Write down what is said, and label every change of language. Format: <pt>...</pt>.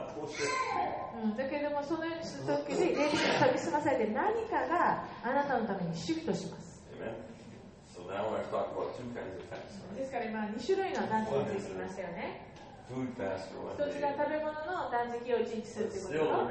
<ja>だけどもそのようにするときに霊的に研ぎ澄まされて、何かがあなたのためにシフトします。</ja> <en>Now I've talked about two kinds of fasts.</en> <ja>ですから今2種類の断食をしましたよね。</ja> <en>Food fast for one day.</en> <ja>一つが食べ物の断食を1日するということ。</ja>